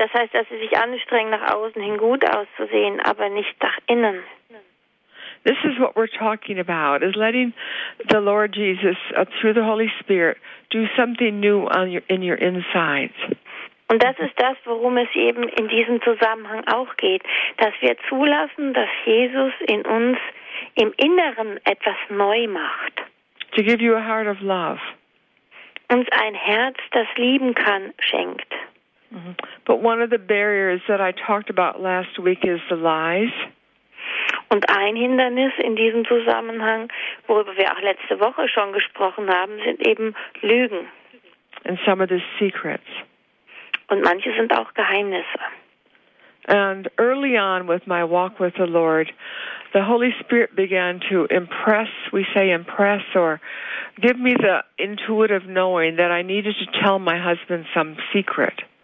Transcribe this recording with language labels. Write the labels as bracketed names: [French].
[German] Das heißt, dass sie sich anstrengen, nach außen hin gut auszusehen, aber nicht nach innen. [English] This is what we're talking about, is letting the Lord Jesus, through the Holy Spirit, do something new on in your insides. [German] Und das ist das, worum es eben in diesem Zusammenhang auch geht, dass wir zulassen, dass Jesus in uns im Inneren etwas neu macht. [English] To give you a heart of love. [German] Uns ein Herz, das lieben kann, schenkt. Mm-hmm. [English] But one of the barriers that I talked about last week is the lies. [German] Und ein Hindernis in diesem Zusammenhang, worüber wir auch letzte Woche schon gesprochen haben, sind eben Lügen. [English] And some of the secrets. [German] Und manche sind auch Geheimnisse. [English] And early on with my walk with the Lord, the Holy Spirit began to impress, we say impress, or give me the intuitive knowing that I needed to tell my husband some secret.